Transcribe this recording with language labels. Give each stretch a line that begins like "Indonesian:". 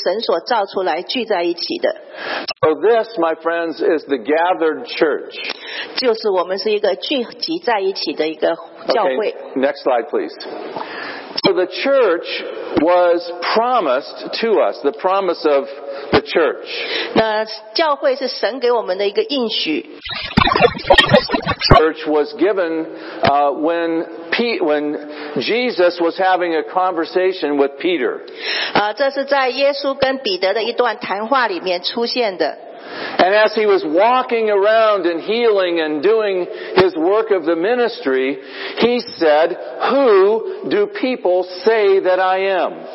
Chinese: 我们今天在这里也是一个教会，我们聚在一起，因为我们是神所造出来聚在一起的。
English: So this, my friends, is the gathered church.
Chinese: 就是我们是一个聚集在一起的一个教会。
English: Okay, next slide, please. So the church was promised to us, the promise of the church.
Chinese: 那教会是神给我们的一个应许。
English: Church was given when Jesus was having a conversation with Peter.
Chinese: 这是在耶稣跟彼得的一段谈话里面出现的。
English: And as he was walking around and healing and doing his work of the ministry, he said, "Who do people say that I am?"